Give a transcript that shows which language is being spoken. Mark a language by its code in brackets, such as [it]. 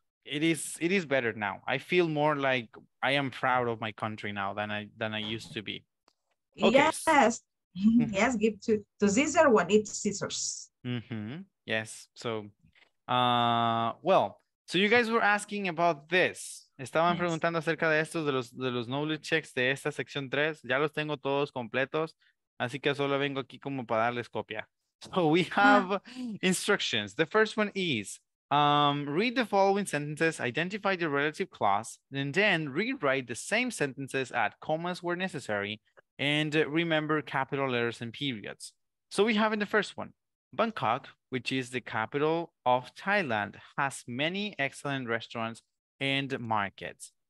[en] it is better now. I feel more like I am proud of my country now than I used to be. Okay. Yes. Yes, give to Caesar what it's Caesar's. Mm-hmm. Yes. So, well, so you guys were asking about this. [es] Estaban [en] yes. [es] preguntando acerca de estos, de los [en] knowledge checks [es] de esta sección 3. Ya los tengo todos completos. Así que solo vengo aquí como para darles copia. [en] So we have instructions. The first one is, read the following sentences, identify the relative clause, and then rewrite the same sentences at commas where necessary, and remember capital letters and periods. So we have in the first one, Bangkok, which is the capital of Thailand, has many excellent restaurants and markets.